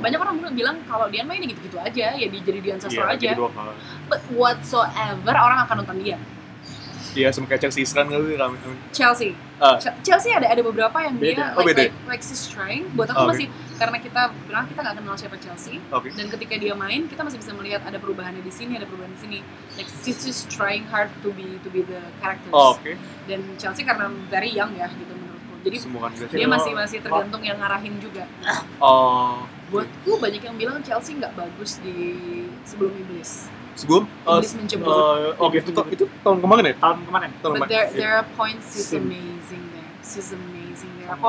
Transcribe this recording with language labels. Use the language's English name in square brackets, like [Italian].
[Indonesian] Banyak orang bilang, kalau Dian mah ini gitu-gitu aja, ya jadi Dian Sastro [English] yeah, [Indonesian] aja. [English] But whatsoever, [Indonesian] orang akan nonton Dian. Iya, sama kayak Chelsea Islan kali ini rame. Chelsea. Chelsea ada beberapa yang beda. Dia [English] like his strength. [Indonesian] Buat aku masih, karena kita nggak kenal siapa Chelsea. [English] Okay. [Indonesian] Dan ketika dia main, kita masih bisa melihat ada perubahannya di sini, ada perubahan di sini. [English] Like, she's just trying hard to be the characters. Okay. [Indonesian] Dan Chelsea karena [English] very young [Indonesian] ya, gitu menurutku. Jadi dia masih tergantung yang ngarahin juga. Buatku banyak yang bilang Chelsea nggak bagus di sebelum Iblis. Sebelum itu tahun kemarin ya? Tahun kemarin. [English] But there are points she's amazing there.